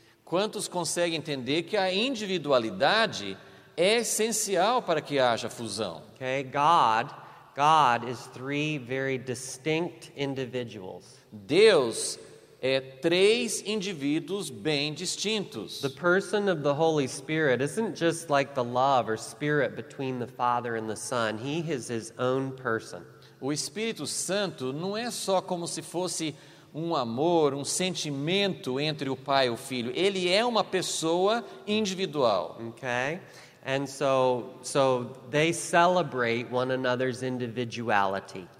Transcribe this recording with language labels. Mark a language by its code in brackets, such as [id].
[pt] Quantos conseguem entender que a individualidade é essencial para que haja fusão? [en] Okay, God is three very distinct individuals. [pt] Deus é três indivíduos bem distintos. [en] The person of the Holy Spirit isn't just like the love or spirit between the Father and the Son. He is his own person. [pt] O Espírito Santo não é só como se fosse um amor, um sentimento entre o Pai e o Filho. Ele é uma pessoa individual. [en] Okay? And so they celebrate one another's individuality.